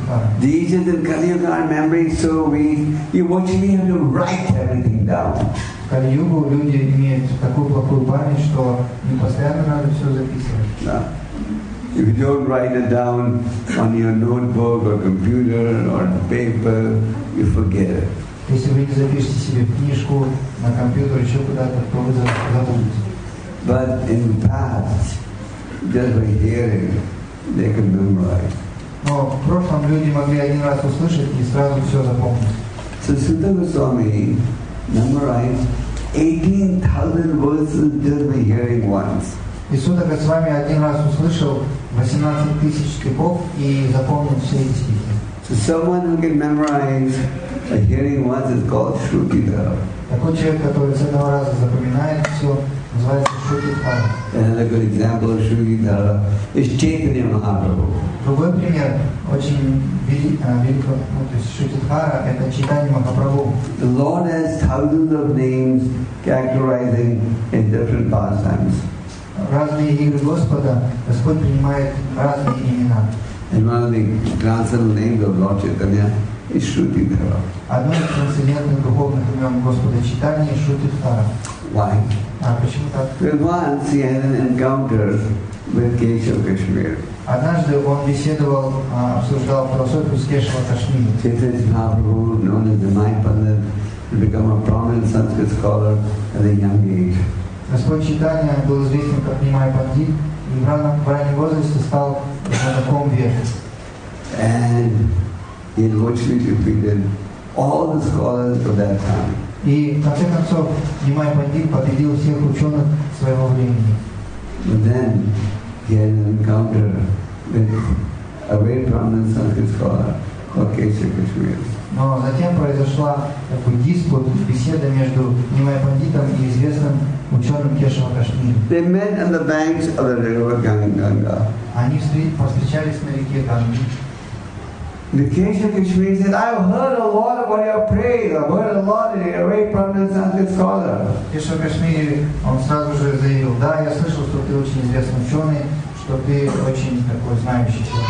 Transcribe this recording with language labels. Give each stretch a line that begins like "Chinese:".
Russian: Дхара.
English: The agent in Kali Yuga are memory so weak, you actually have to write everything down.
Russian: Кали Югу люди имеют такую плохую память, что им постоянно надо все записывать.
English: If you don't write it down on your notebook or computer or paper, you forget it.
Russian: Если вы не запишете себе книжку на компьютер еще куда-то, то вы забудете.
English: But in past, just by hearing, they can memorize.
Russian: Но в прошлом люди могли один раз услышать и сразу все запомнить.
English: So Sutta Goswami memorized 18,000 verses just by hearing once.
Russian: И Сутта Госвами один раз услышал 18,000 стихов и запомнил все эти стихи.
English: So someone who can memorize by hearing once is called Shruti Dhara.
Russian: Такой человек, который с одного раза запоминает все, называется Шрути Дхара.
English: Another good example of Shruti Dhara is Chaitanya Mahaprabhu.
Russian: Другой пример очень великого, ну, то есть Шрути Дхара, это Чайтанья Махапрабху.
English: The Lord has thousands of names characterizing in different pastimes.
Russian: Разные игры Господа, Господь принимает разные имена.
English: And one of the transcendental names of Lord Chaitanya is Shruti Dhara.
Russian: Одно из трансцендентных духовных имен Господа Чайтанья Шрути Дхара.
English: Why?
Russian: А почему так?
English: Well, once he had an encounter with Keshav Kashmir.
Russian: Однажды он беседовал, обсуждал философию с Кешава Кашмири.
English: Chaitanya Mahaprabhu, known as the Mind Pandit, had become a prominent Sanskrit scholar at a young age.
Russian: Господь Чайтанья был известен как Нимай Пандит, и в раннем возрасте стал знатоком веры.
English: And he virtually defeated all the scholars of that time.
Russian: И в конце концов Нимай Пандит победил всех ученых своего времени.
English: But then he had an encounter with a very prominent Sanskrit scholar called Keshav Kashmir.
Russian: Но затем произошла такой диспут, беседа между Нимай Пандитом и известным ученым Кешава Кашмири.
English: They met on the banks of the river Ganga.
Russian: Они повстречались на реке Ганги.
English: The Keshav Kashmir said, I've heard a lot about your praise. I've heard a lot of your great prominent Sanskrit scholar.
Russian: Keshav Kashmir, он сразу же заявил, да, я слышал, что ты очень известный ученый, что ты очень такой знающий человек.